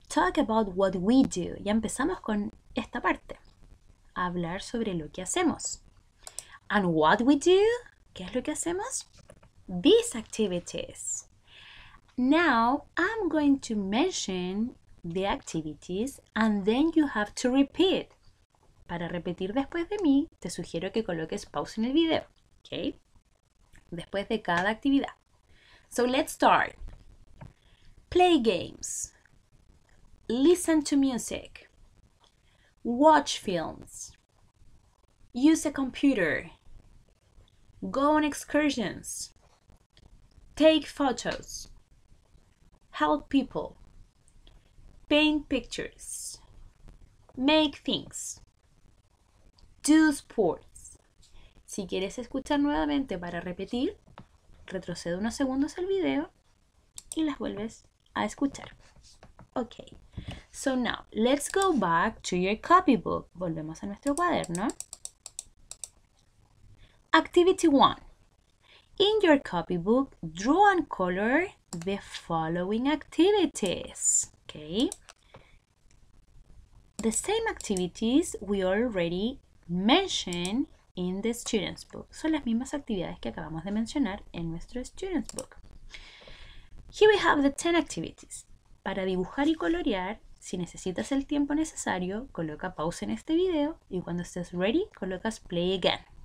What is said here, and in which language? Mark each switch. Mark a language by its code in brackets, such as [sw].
[en] Talk about what we do. [es] Ya empezamos con esta parte. Hablar sobre lo que hacemos. [en] And what we do? [es] ¿Qué es lo que hacemos? [en] These activities. Now, I'm going to mention the activities and then you have to repeat. [es] Para repetir después de mí, te sugiero que coloques pausa en el video, ¿ok? Después de cada actividad. [en] So, let's start. Play games. Listen to music. Watch films. Use a computer. Go on excursions. Take photos. Help people. Paint pictures. Make things. Do sports. [es] Si quieres escuchar nuevamente para repetir, retrocede unos segundos al video y las vuelves a escuchar. [en] Okay. So now, let's go back to your copybook. [es] Volvemos a nuestro cuaderno. [en] Activity 1. In your copybook, draw and color the following activities. Okay. The same activities we already mentioned in the student's book. [es] Son las mismas actividades que acabamos de mencionar en nuestro student's book. [en] Here we have the 10 activities. [es] Para dibujar y colorear, si necesitas el tiempo necesario, coloca pausa en este video y cuando estés ready, colocas [en] play again.